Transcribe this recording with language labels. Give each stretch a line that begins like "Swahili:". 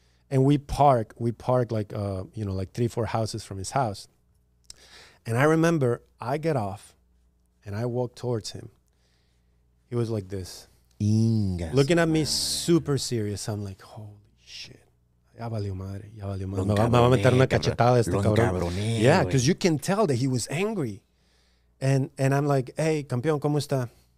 English: And we park like, you know, like 3-4 houses from his house. And I remember I get off and I walk towards him. He was like this. Ingas looking at me super serious. I'm like, holy shit.
Spanish: Ya valió madre. Ya valió madre. Me va a meter una cachetada este cabrón.
English: Yeah, because you can tell that he was angry. And I'm like, hey,
Spanish: campeón, ¿cómo está?